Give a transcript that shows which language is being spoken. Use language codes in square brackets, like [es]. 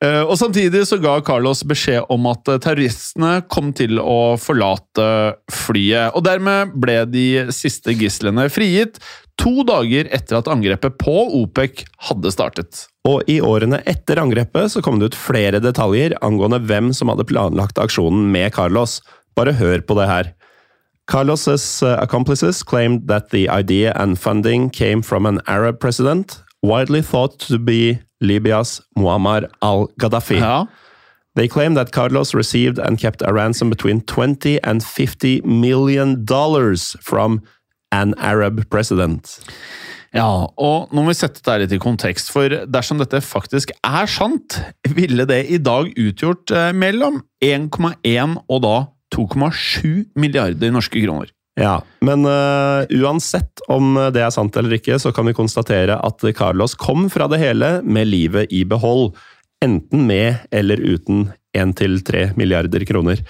[no] Og samtidig så ga Carlos beskjed om at terroristene kom til å forlate flyet, og dermed ble de siste gislene frigitt 2 dager etter at angrepet på OPEC hadde startet. Og I årene etter angrepet så kom det ut flere detaljer angående hvem som hadde planlagt aksjonen med Carlos. Bare hør på det her. [en] Carlos's accomplices claimed that the idea and funding came from an Arab president, widely thought to be Libya's Muammar al-Gaddafi. [no] Ja. [en] They claimed that Carlos received and kept a ransom between $20 and $50 million from an Arab president. [no] Ja, og nå må vi sette det litt I kontekst, for dersom dette faktisk sant, ville det I dag utgjort mellom 1,1 og da 2,7 milliarder norske kroner. Ja, men uansett om det sant eller ikke, så kan vi konstatere at Carlos kom fra det hele med livet I behold, enten med eller uten 1-3 milliarder kroner.